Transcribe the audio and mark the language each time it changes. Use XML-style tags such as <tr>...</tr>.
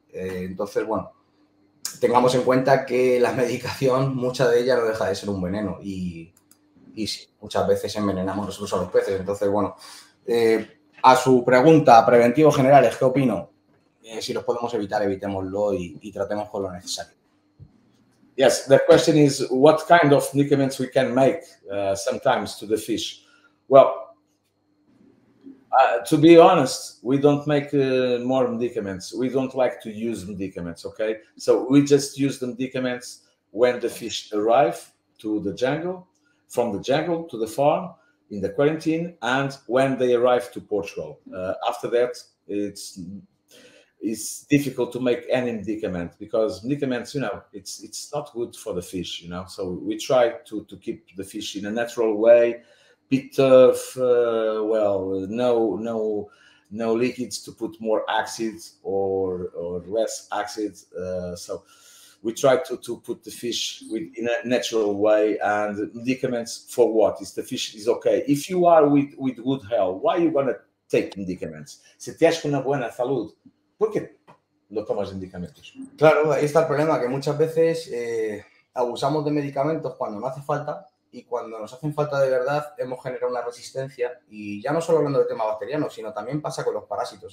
<es>Entonces, bueno, tengamos en cuenta que la medicación, mucha de ella no deja de ser un veneno. Y sí, muchas veces envenenamos nosotros a los peces. Entonces, bueno, a su pregunta, preventivos generales, ¿qué opino? Si los podemos evitar, evitémoslo y tratemos con lo necesario.</es> <en>Yes, the question is what kind of nutriments we can make sometimes to the fish. Well, to be honest, we don't make more medicaments. We don't like to use medicaments, okay? So we just use the medicaments when the fish arrive to the jungle, from the jungle to the farm, in the quarantine, and when they arrive to Portugal. After that, it's difficult to make any medicament because medicaments, you know, it's not good for the fish, you know? So we try to keep the fish in a natural way, bit of no liquids to put more acids or less acids. So we try to put the fish with in a natural way and medicaments for what? Is the fish is okay. If you are with good health, why are you gonna take medicaments?</en> <es>Se te hace una buena salud, ¿por qué no tomas medicamentos? Claro, ahí está el problema que muchas veces abusamos de medicamentos cuando no hace falta. Y cuando nos hacen falta de verdad, hemos generado una resistencia. Y ya no solo hablando del tema bacteriano, sino también pasa con los parásitos.</es>